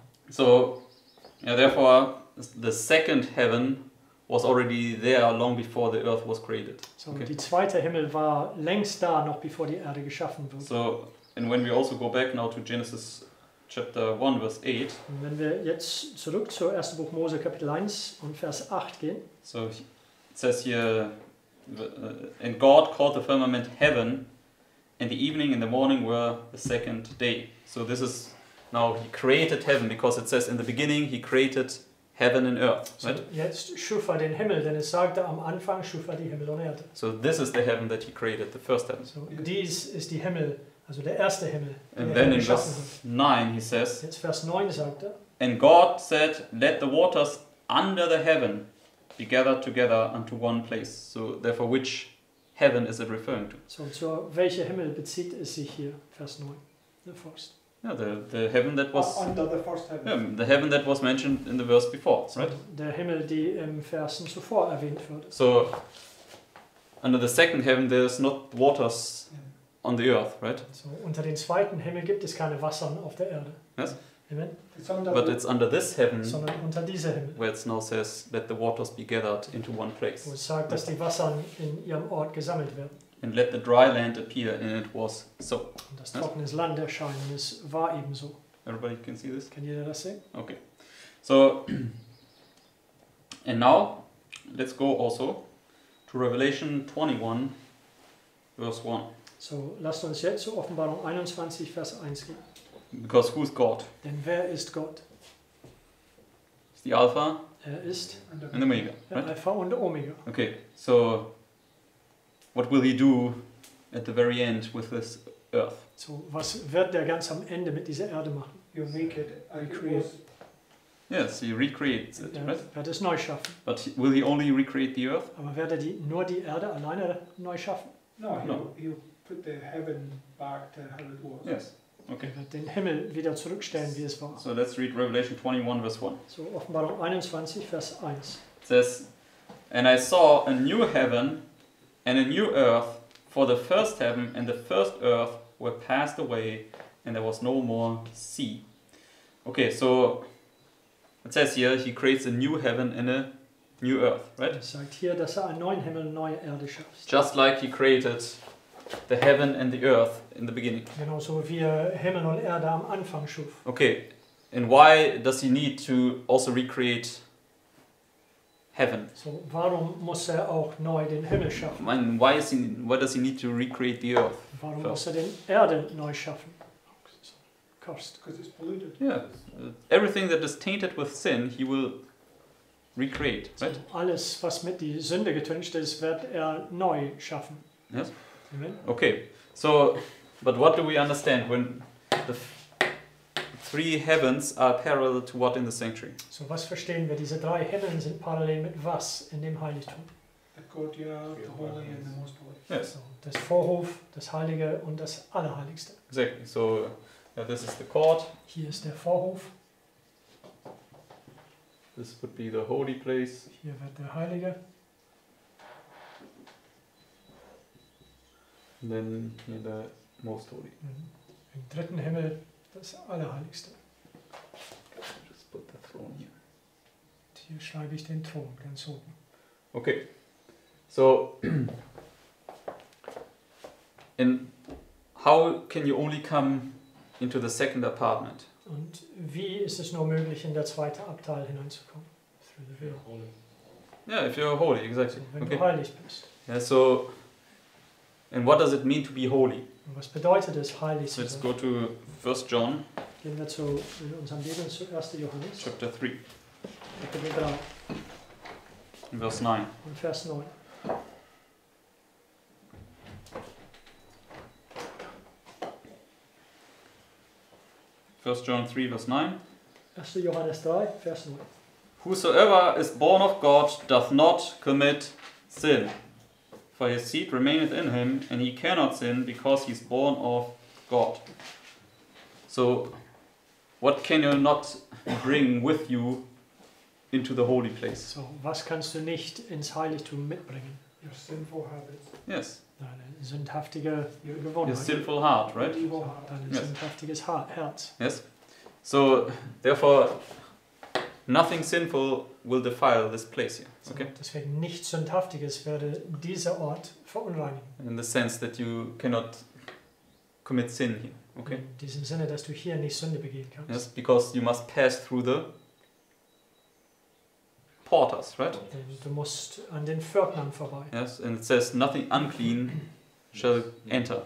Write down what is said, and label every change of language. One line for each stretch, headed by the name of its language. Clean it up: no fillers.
English: So, yeah, therefore, the second heaven was already there long before the earth was created. So, okay.
German: Die zweite Himmel war längst da, noch bevor die Erde geschaffen wurde.
English: So, and when we also go back now to Genesis chapter 1, verse 8.
German: Und wenn wir jetzt zurück zu 1. Buch Mose, Kapitel 1 und Vers 8 gehen.
English: So, it says here, and God called the firmament heaven, and the evening and the morning were the second day. So this is, now he created heaven, because it says in the beginning he created heaven and earth. Right?
German: So jetzt schuf den Himmel, denn es sagte am Anfang schuf die Himmel und Erde.
English: So this is the heaven that he created, the first heaven.
German: So dies ist die Himmel, also der erste Himmel.
English: And then in verse 9 he says,
German: jetzt Vers 9 sagt
English: and God said, let the waters under the heaven be gathered together unto one place. So therefore which heaven is it referring to?
German: So zu welcher Himmel bezieht es sich hier, Vers 9?
English: The first. Yeah, the heaven that was under the first heaven. Yeah, the heaven that was mentioned in the verse before, right?
German: Der Himmel, die im Versen zuvor erwähnt wird.
English: So under the second heaven there's not waters on the earth, right?
German: So unter den zweiten Himmel gibt es keine Wasser auf der Erde.
English: Yes. Amen. But it's under this heaven,
German: sondern unter dieser Himmel,
English: where it now says, let the waters be gathered into one place.
German: Wo es sagt, dass die Wasser in ihrem Ort gesammelt werden.
English: And let the dry land appear, and it was so.
German: Und das trockene Land erscheinen, es war eben so.
English: Everybody can see this?
German: Kann jeder das sehen?
English: Okay. So, and now, let's go also to Revelation 21, verse 1.
German: So, lasst uns jetzt zu Offenbarung 21, Vers 1 gehen.
English: Because who is God?
German: Denn wer ist Gott? Ist die Alpha? Er ist und Omega.
English: Right?
German: Alpha und Omega.
English: Okay, so what will he do at the very end with this earth?
German: So was wird der ganz am Ende mit dieser Erde machen?
English: You make it, I create. Yes, he recreates it, right?
German: Er wird es neu schaffen.
English: But will he only recreate the earth?
German: Aber wird er nur die Erde alleine neu schaffen?
English: No, he'll put the heaven back to how it was. Yes. Okay.
German: Er wird den Himmel wieder zurückstellen, wie es war.
English: So let's read Revelation 21, verse 1.
German: So Offenbarung 21, Vers 1.
English: It says, and I saw a new heaven and a new earth, for the first heaven and the first earth were passed away, and there was no more sea. Okay, so it says here, he creates a new heaven and a new earth, right?
German: Er sagt hier, dass er einen neuen Himmel und neue Erde schafft.
English: Just like he created the heaven and the earth in the beginning.
German: Genau so wie er Himmel und Erde am Anfang schuf.
English: Okay, and why does he need to also recreate heaven?
German: So warum muss er auch neu den Himmel schaffen?
English: I mean, why does he need to recreate the earth?
German: Warum
English: first?
German: Muss er den Erde neu schaffen?
English: Cursed. Because it's polluted. Yeah, everything that is tainted with sin, he will recreate, right?
German: So alles, was mit die Sünde getüncht ist, wird er neu schaffen.
English: Yes. Okay, so, but what do we understand when the three heavens are parallel to what in the sanctuary?
German: So, was verstehen wir? Diese drei Himmel sind parallel mit was in dem Heiligtum?
English: The courtyard, the holy, and the most holy. Yes.
German: So, das Vorhof, das Heilige und das Allerheiligste.
English: Exactly. So, this is the court.
German: Hier ist der Vorhof.
English: This would be the holy place.
German: Hier wird der Heilige.
English: And then in the most holy.
German: Im dritten Himmel, das Allerheiligste.
English: Just put the throne here.
German: Und hier schreibe ich den Thron ganz oben.
English: Okay. So, and how can you only come into the second apartment?
German: Und wie ist es nur möglich, in der zweite Abteil hineinzukommen?
English: Through the veil. Holy. Yeah, if you're holy, exactly.
German: So, wenn du heilig bist.
English: Yeah, so. And what does it mean to be holy?
German: Was bedeutet es, heilig zu sein?
English: Let's go to 1 John.
German: Gehen wir zu in unserem Leben zu 1. Johannes.
English: Chapter 3.
German: Kapitel 3. In Vers 9. Und Vers 9.
English: First John 3, verse 9.
German: 1. Johannes 3, Vers 9.
English: Whosoever is born of God doth not commit sin. For his seed remaineth in him, and he cannot sin, because he is born of God. So, what can you not bring with you into the holy place?
German: So, was kannst du nicht ins Heiligtum mitbringen?
English: Your sinful habits. Yes.
German: Deine sündhaftige Gewohnheit.
English: Your sinful heart, right?
German: Deine sündhaftiges Herz.
English: Yes. So, therefore, nothing sinful will defile this place here. Okay. So,
German: deswegen nichts Sündhaftiges werde dieser Ort verunreinigen.
English: In the sense that you cannot commit sin here. Okay.
German: In diesem Sinne, dass du hier nicht Sünde begehen kannst.
English: Yes, because you must pass through the porters, right?
German: Und du musst an den Pförtnern vorbei.
English: Yes, and it says nothing unclean shall enter.